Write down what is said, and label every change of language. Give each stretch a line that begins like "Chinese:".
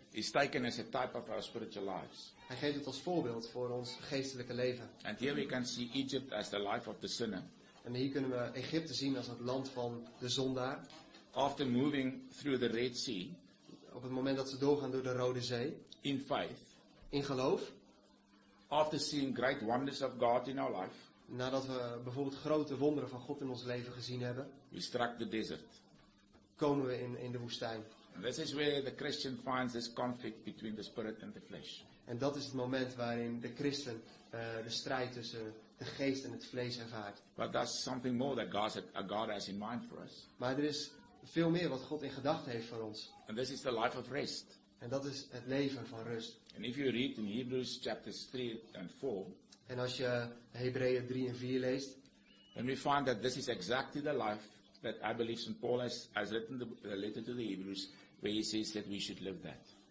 English: Is taken as a type of our spiritual lives.
Dutch: Hij geeft het als voorbeeld voor ons geestelijke leven.
English: And here we can see Egypt as the life of the sinner.
Dutch: En hier kunnen we Egypte zien als het land van de zondaar.
English: After moving through the Red Sea.
Dutch: Op het moment dat ze doorgaan door de Rode Zee.
English: In faith.
Dutch: In geloof.
English: After seeing great wonders of God in our life.
Dutch: Nadat we bijvoorbeeld grote wonderen van God in ons leven gezien hebben.
English: We struck the desert.
Dutch: Komen we in de woestijn.
English: And this is where the Christian finds this conflict between the spirit and the flesh.
Dutch: En dat is het moment waarin de christen de strijd tussen de geest en het vlees ervaart.
English: But that's something more that God has in mind for us.
Dutch: Maar er is veel meer wat God in gedachten heeft voor ons.
English: And this is the life of rest.
Dutch: En dat is het leven van rust.
English: And if you read in Hebrews chapters 3 and 4,
Dutch: en als je Hebreeën 3 en 4 leest,
English: then we find that this is exactly the life that I believe St. Paul has written the letter to the Hebrews, where he says that we should live that.